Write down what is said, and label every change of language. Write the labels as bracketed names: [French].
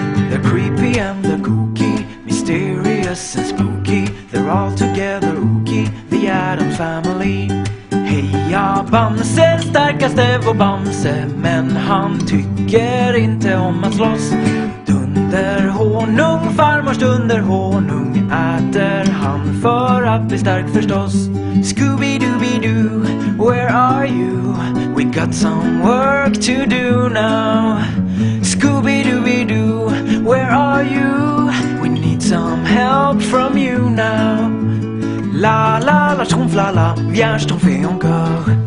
[English] The creepy and the kooky, mysterious and spooky, they're all together ooky, the Addams Family. [Swedish] Heja Bamse, starkaste vår Bamse, men han tycker inte om att slåss. Dunder honung, farmors dunder honung, äter han för att bli stark förstås. [English] Scooby-dooby-doo, where are you? We got some work to do now. Scooby-dooby-doo, where are you? We need some help from you now. [French] La la la schtroumpf la la, viens schtroumpfer encore.